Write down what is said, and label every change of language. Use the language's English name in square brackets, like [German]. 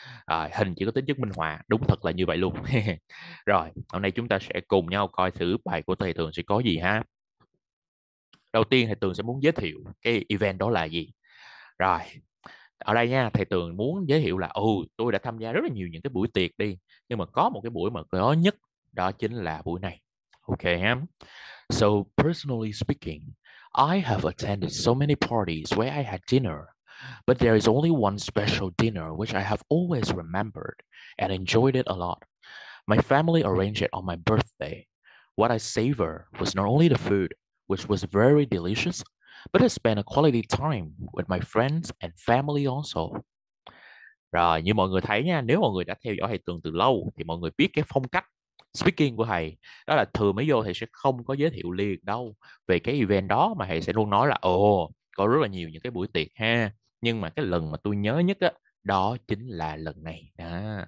[Vietnamese] À, hình chỉ có tính chất minh họa, đúng thật là như vậy luôn. Rồi, hôm nay chúng ta sẽ cùng nhau coi thử bài của thầy Tường sẽ có gì ha. Đầu tiên thầy Tường sẽ muốn giới thiệu cái event đó là gì. Rồi, ở đây nha, thầy Tường muốn giới thiệu là tôi đã tham gia rất là nhiều những cái buổi tiệc đi, nhưng mà có một cái buổi mà có nhất, đó chính là buổi này. Ok ha. [English] So, personally speaking, I have attended so many parties where I had dinner, but there is only one special dinner which I have always remembered and enjoyed it a lot. My family arranged it on my birthday. What I savor was not only the food, which was very delicious, but I spent a quality time with my friends and family also. [Vietnamese] Rồi, như mọi người thấy nha, nếu mọi người đã theo dõi thầy Tường từ lâu thì mọi người biết cái phong cách speaking của thầy, đó là thường mới vô thầy sẽ không có giới thiệu liền đâu về cái event đó, mà thầy sẽ luôn nói là có rất là nhiều những cái buổi tiệc ha, nhưng mà cái lần mà tôi nhớ nhất á, đó chính là lần này đó.